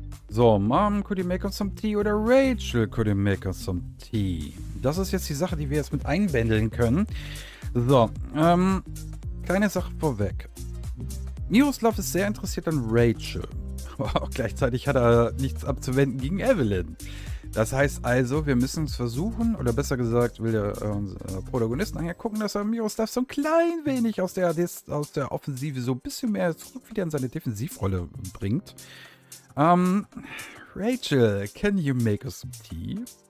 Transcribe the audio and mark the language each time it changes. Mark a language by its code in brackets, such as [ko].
[en] So, Mom, could you make us some tea? Oder Rachel, could you make us some tea? [de] Das ist jetzt die Sache, die wir jetzt mit einbändeln können. So, kleine Sache vorweg. Miroslav ist sehr interessiert an Rachel. Aber auch gleichzeitig hat er nichts abzuwenden gegen Evelyn. Das heißt also, wir müssen es versuchen, oder besser gesagt, will der Protagonist nachher gucken, dass er Miroslav so ein klein wenig aus der Offensive so ein bisschen mehr zurück wieder in seine Defensivrolle bringt. [en] Rachel, can you make us some tea?